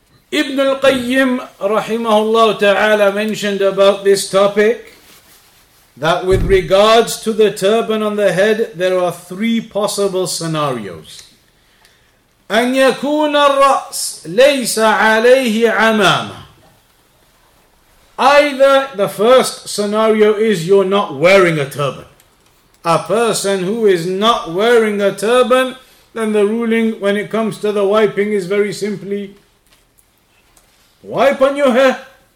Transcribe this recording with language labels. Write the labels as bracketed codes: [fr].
[en] Ibn al-Qayyim, rahimahullah ta'ala, mentioned about this topic, that with regards to the turban on the head, there are three possible scenarios. [ar] أن يكون الرأس ليس عليه عمامة. [en] Either the first scenario is you're not wearing a turban. A person who is not wearing a turban, then the ruling when it comes to the wiping is very simply, wipe on your hair.